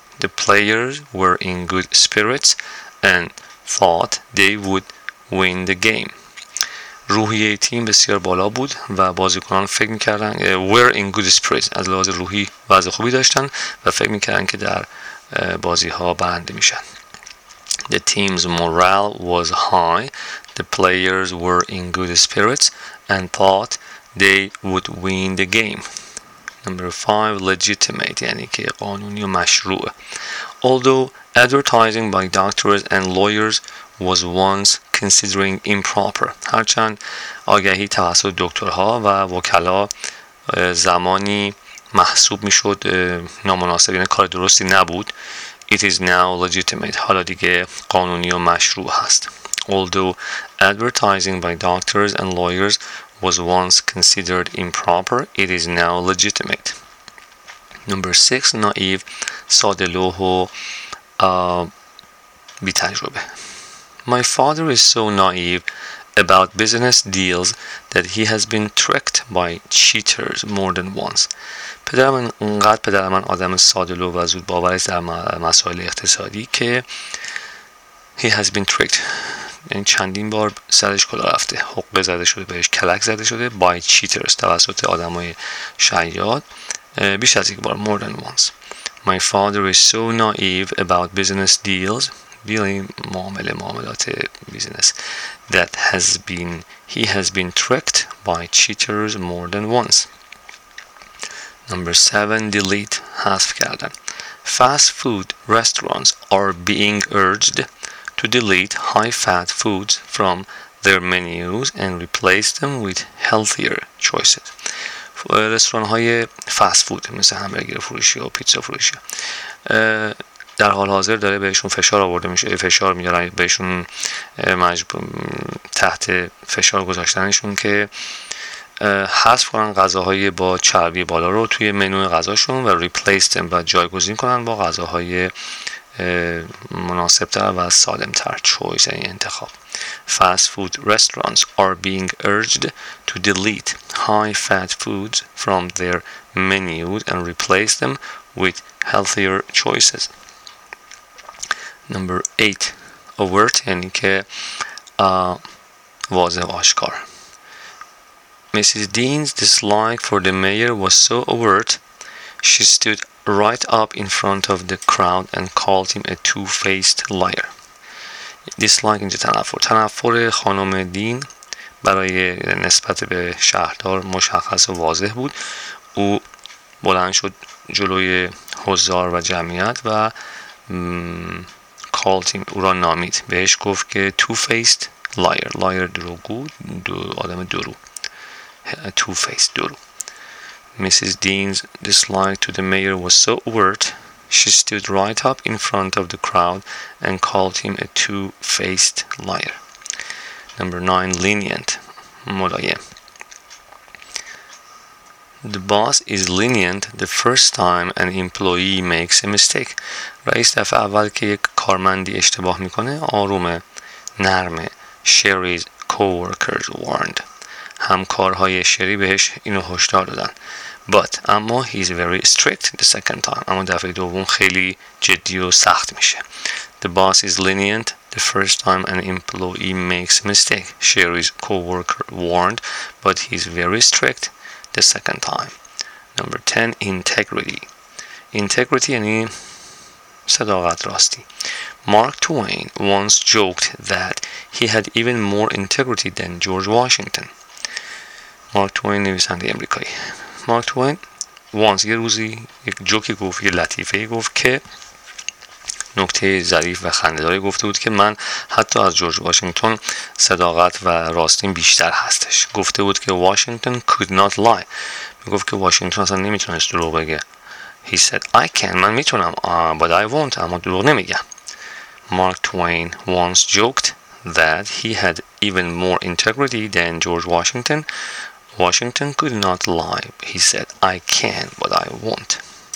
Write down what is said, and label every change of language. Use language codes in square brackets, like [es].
[en] The players were in good spirits and thought they would win the game. [fa] روحیه تیم بسیار بالا بود و بازیکنان فکر میکردن [en] were in good spirits, [fa] از لحاظ روحی وضع خوبی داشتن و فکر میکردن که در بازی ها برنده میشن. [en] The team's morale was high. The players were in good spirits and thought they would win the game. Number 5, legitimate, [fa] یعنی که قانونی و مشروع. [en] Although advertising by doctors and lawyers was once considering improper, [fa] هرچند آگهی توسط دکترها و وکلا زمانی محسوب میشد نامناسب, یعنی کار درستی نبود, [en] it is now legitimate, [fa] حالا دیگه قانونی و مشروع هست. [en] Although advertising by doctors and lawyers was once considered improper, it is now legitimate. Number 6, naive, [fa] ساده لوح و بی تجربه. [en] My father is so naive about business deals that he has been tricked by cheaters more than once. [fa] پدرم انقدر پدرم آدم ساده لوح و زود باور است در مسائل اقتصادی که [en] he has been tricked, [fa] این چندین بار سرش کلا رفته, حقه زده شده بهش, کلک زده شده [en] by cheaters, [fa] توسط آدم های شیاد, بیش از یک بار, [en] more than once. My father is so naive about business deals, dealing, معامله, معاملات business, that he has been tricked by cheaters more than once. Number 7, delete, حذف کردن. Fast food restaurants are being urged to delete high-fat foods from their menus and replace them with healthier choices. [fa] رستوران های فاست فود مثل همبرگر فروشی و پیتزا فروشی در حال حاضر داره بهشون فشار آورده میشه, فشار میارن بهشون, مجبور تحت فشار گذاشتنشون که حذف کنن غذاهای با چربی بالا رو توی منوی غذاشون و ریپلیس دم و جایگزین کنن با غذاهای مناسبتر و سالمتر. چویز این انتخاب. [en] Fast food restaurants are being urged to delete high-fat foods from their menus and replace them with healthier choices. Number 8. Overt, [fa] یعنی که واضح و آشکار. Mrs. [en] Dean's dislike for the mayor was so overt, she stood right up in front of the crowd and called him a two-faced liar. [fa] Dislike اینجا تنفر. تنفر خانم دین برای نسبت به شهردار مشخص و واضح بود. او بلند شد جلوی حضار و جمعیت و [en] called him [fa] او را نامید. بهش گفت که [en] two-faced liar. [fa] Liar دروگو. آدم درو. [en] Two-faced [fa] درو. [en] Mrs. Dean's dislike to the mayor was so overt, she stood right up in front of the crowd and called him a two-faced liar. Number 9. Lenient. [fa] ملایم. [en] The boss is lenient the first time an employee makes a mistake. [fa] رئیس دفعه اول که یک کارمندی اشتباه میکنه آرومه، نرمه. [en] Sherry's co-workers warned. [fa] همکارهای شری بهش اینو هشدار دادن. [en] But [fa] اما [en] he's very strict the second time. [fa] اما دفعه دوم خیلی جدی و سخت میشه. [en] The boss is lenient the first time an employee makes a mistake. Sherry's co-worker warned, but he's very strict the second time. Number 10. Integrity. [fa] Integrity یعنی صداقت، راستی. [en] Mark Twain once joked that he had even more integrity than George Washington. [fa] Mark Twain نویسنده امریکایی. Mark Twain once یه روزی یک جوکی گفت، یه لطیفه گفت که نکته ظریف و خنده‌داری گفته بود که من حتی از جورج واشنگتن صداقت و راستین بیشتر هستش. گفته بود که واشنگتن [en] could not lie. [fa] میگفت که واشنگتن اصلا نمیتونست دروغ بگه. [en] He said I can. [fa] من میتونم. [en] But I won't. [fa] اما دروغ نمیگم. [en] Mark Twain once joked that he had even more integrity than George Washington. Washington could not lie. He said, I can, but I won't.